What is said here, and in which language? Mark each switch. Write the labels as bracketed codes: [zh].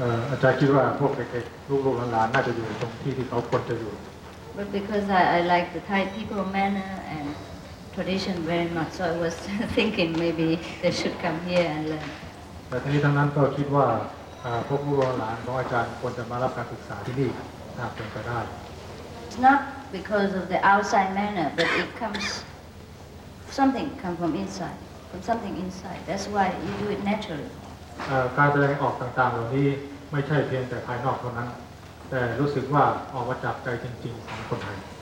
[th] อาจารย์คิดว่าพวกเด็กๆลูกๆหลานๆน่าจะอยู่ตรงที่ที่เขาควรจะอยู่ [en] But because I like the Thai people manner and tradition very much, so I was thinking maybe they should come here and learn. [th] แต่ทีนี้ทั้งนั้นก็คิดว่าพวกลูกหลานของอาจารย์ควรจะมารับการศึกษาที่นี่ถ้าเป็นไปได้ [en] Not. Because of the outside manner, but it comes, something comes from inside, from something inside. That's why you do it naturally. [th] การแสดงออกต่างๆเหล่านี้ไม่ใช่เพียงแต่ภายนอกเท่านั้นแต่รู้สึกว่าออกมาจากใจจริงๆของคนไทย